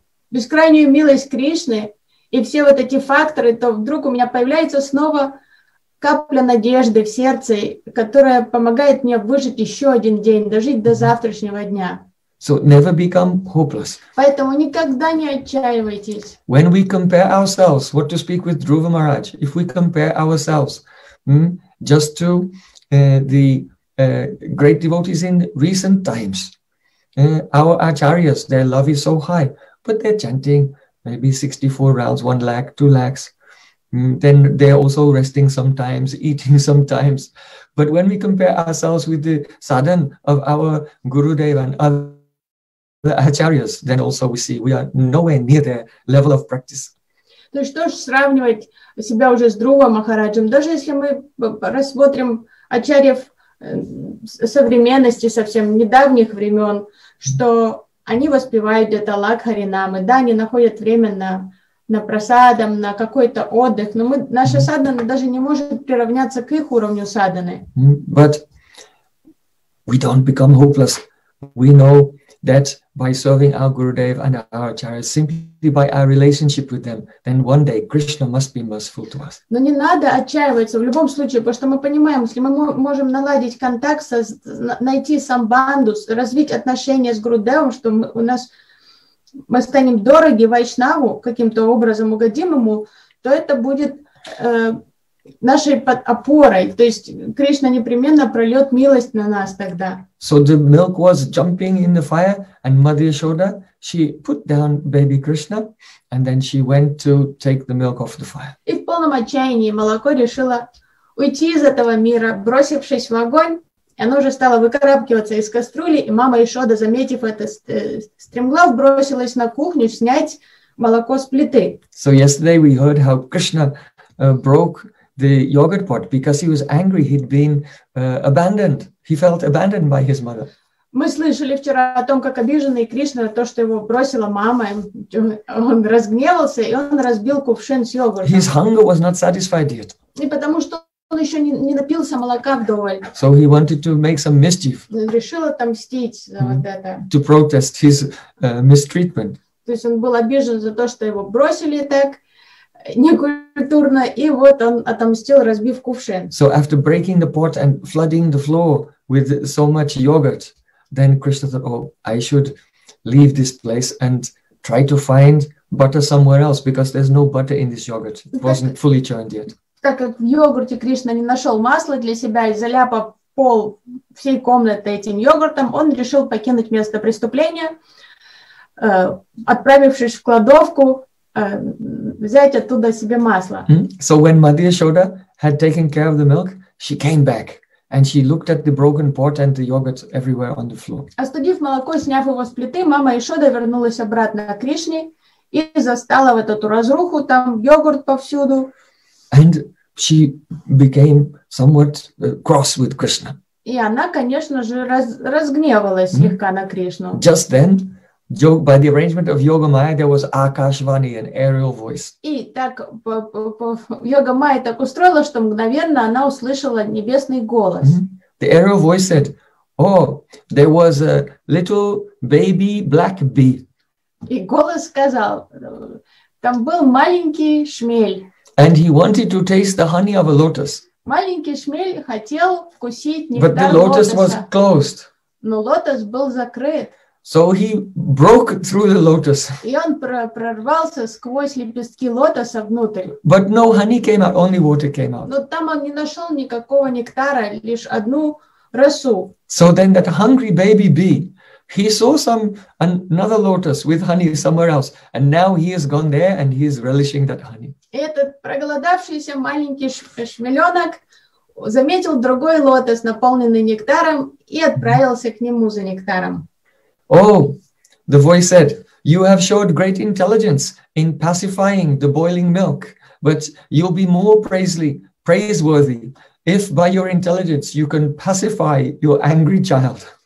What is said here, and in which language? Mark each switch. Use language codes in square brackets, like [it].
[ru] Бескрайнюю милость Кришны и все вот эти факторы, то вдруг у меня появляется снова капля надежды в сердце, которая помогает мне выжить еще один день, дожить до завтрашнего дня. [en] So never become hopeless. [ru] Поэтому никогда не отчаивайтесь. [en] When we compare ourselves, what to speak with Dhruva Maharaj, if we compare ourselves just to the great devotees in recent times, our acharyas, their love is so high, but they're chanting maybe 64 rounds, 1 lakh, 2 lakhs. Then they're also resting sometimes, eating sometimes. But when we compare ourselves with the sadhan of our Gurudev and other acharyas, then also we see we are nowhere near their level of practice. [ru] То есть что ж сравнивать себя уже с Друва Махараджем? Даже если мы рассмотрим ачарьев современности, совсем недавних времен, что они воспевают где-то лакхаринамы, да, они находят время на просадам, на какой-то отдых, но наша садхана даже не может приравняться к их уровню садханы. [en] But we don't become hopeless. We know that by serving our Gurudev and our Acharyas, simply by our relationship with them, then one day Krishna must be merciful to us. [ru] Но не надо отчаиваться в любом случае, потому что мы понимаем, если мы можем наладить контакт, найти самбанду, развить отношения с Гурудевом, что у нас мы станем дороги Вайшнаву, каким-то образом угодим ему, то это будет нашей опорой. То есть Кришна непременно прольет милость на нас тогда. [en] So the milk was jumping in the fire, and Mother Yashoda, she put down baby Krishna, and then she went to take the milk off the fire. [ru] И в полном отчаянии молоко решило уйти из этого мира, бросившись в огонь. И оно уже стало выкарабкиваться из кастрюли, и мама Ишода, заметив это, стремглав бросилась на кухню снять молоко с плиты. [en] So yesterday we heard how Krishna broke the yogurt pot because he was angry he'd been abandoned. He felt abandoned by his mother. [ru] Мы слышали вчера о том, как обиженный Кришна, то, что его бросила мама, он разгневался, и он разбил кувшин с йогуртом. [en] His hunger was not satisfied yet. [ru] И потому что он еще не напился молока вдоволь. [en] So he wanted to make some mischief. [ru] Решил отомстить за вот это. [en] To protest his mistreatment. [ru] То есть он был обижен за то, что его бросили так некультурно, и вот он отомстил, разбив кувшин. [en] So after breaking the pot and flooding the floor with so much yogurt, then Krishna thought, oh, I should leave this place and try to find butter somewhere else because there's no butter in this yogurt. It wasn't fully churned yet. [ru] Так как в йогурте Кришна не нашел масла для себя и заляпал пол всей комнаты этим йогуртом, он решил покинуть место преступления, отправившись в кладовку, взять оттуда себе масло. [en] So when Mother Yashoda had taken care of the milk, she came back and she looked at the broken pot and the yogurt everywhere on the floor. [ru] Остудив молоко, сняв его с плиты, мама Ишода вернулась обратно к Кришне и застала вот эту разруху, там йогурт повсюду. [en] And she became somewhat cross with Krishna. [ru] И она, конечно же, разгневалась слегка на Кришну. [en] Just then, by the arrangement of Yoga Maya, there was Akashvani, an aerial voice. [ru] И так Йога Майя так устроила, что мгновенно она услышала небесный голос. [en] The aerial voice said, "Oh, there was a little baby black bee." [ru] И голос сказал, там был маленький шмель. [en] And he wanted to taste the honey of a lotus. [ru] Маленький шмель хотел вкусить нектар лотоса. [en] But the lotus was closed. [ru] Но лотос был закрыт. [en] So he broke through the lotus. [ru] И он прорвался сквозь лепестки лотоса внутрь. [en] But no honey came out, only water came out. [ru] Но там он не нашел никакого нектара, лишь одну росу. [en] So then that hungry baby bee, he saw another lotus with honey somewhere else, and now he has gone there and he is relishing that honey. [ru] Этот проголодавшийся маленький шмелёнок заметил другой лотос, наполненный нектаром, и отправился к нему за нектаром. [en] Oh, the voice said, "You have showed great intelligence in pacifying the boiling milk, but you'll be more praiseworthy if by your intelligence you can pacify your angry child."